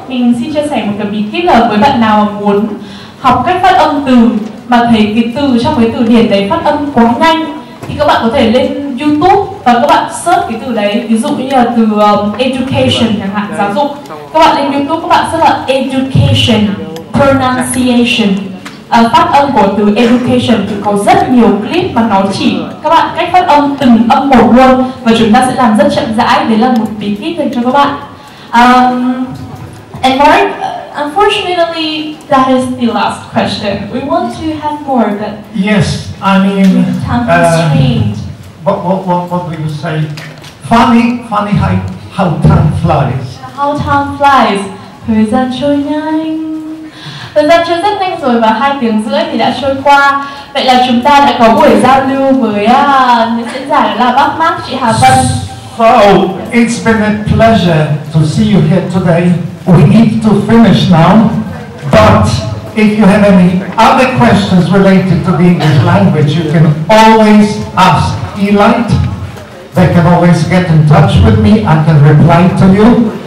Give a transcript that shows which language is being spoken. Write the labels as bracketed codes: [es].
[vi] Mình xin chia sẻ một cái bí kíp là với bạn nào mà muốn học cách phát âm từ mà thấy cái từ trong cái từ điển đấy phát âm quá nhanh, thì các bạn có thể lên YouTube và các bạn search cái từ đấy, ví dụ như là từ education chẳng hạn, giáo dục. Các bạn lên YouTube, các bạn search là education, pronunciation, phát âm của từ education, thì có rất nhiều clip mà nó chỉ các bạn cách phát âm từng âm một luôn, và chúng ta sẽ làm rất chậm rãi. Đấy là một bí kíp dành cho các bạn. [en] And Mark, unfortunately, that is the last question. We want to have more, but yes, I mean, time constrained. What do you say? Funny how time flies. How time flies. [vi] Thời gian trôi nhanh. Thời gian trôi rất nhanh rồi, và 2 tiếng rưỡi thì đã trôi qua. Vậy là chúng ta đã có buổi giao lưu với những diễn giả là bác Mark, chị Hà Vân. [en] So, it's been a pleasure to see you here today. We need to finish now, but if you have any other questions related to the English language, you can always ask Elight. They can always get in touch with me. I can reply to you.